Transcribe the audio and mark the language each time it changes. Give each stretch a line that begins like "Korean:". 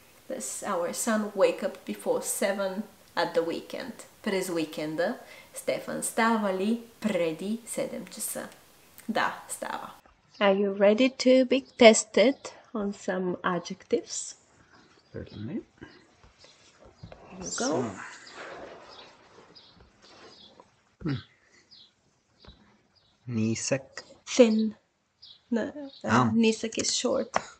English: Does our son wake up before 7 at the weekend?
Bulgarian: През уикенда Стефан става ли преди 7 часа? Да, става.
English: Are you ready to be tested on some adjectives? Certainly. Here you go. So.
Bulgarian: Nisak.
English: Thin. No. Nisak is short.